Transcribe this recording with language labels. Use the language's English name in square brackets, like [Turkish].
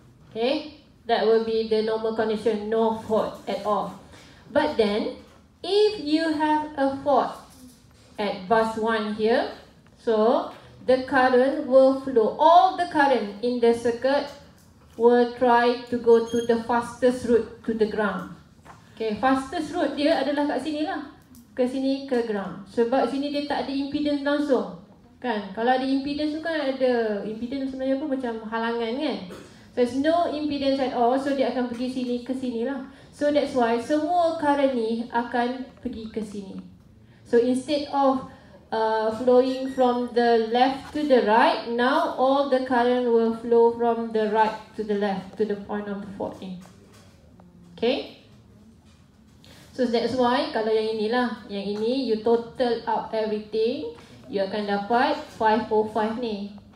[English] Okay, that will be the normal condition, no fault at all. But then, if you have a fault at bus 1 here, so the current will flow, all the current in the circuit will try to go to the fastest route to the ground. [Malay] Okay, fastest route dia adalah kat sini lah. Ke sini, ke ground. Sebab sini dia tak ada impedance langsung. Kan? Kalau ada impedance tu kan ada. Impedance sebenarnya pun macam halangan kan? [English] So, there's no impedance at all. [Malay] So, dia akan pergi sini, ke sini lah. [English] So, that's why [Malay] semua current ni akan pergi ke sini. [English] So, instead of flowing from the left to the right, now all the current will flow from the right to the left to the point of the fault ni. Okay? So that's why [Malay] kalau yang inilah, yang ini [English] you total up everything, [Malay] you akan dapat 505 ni.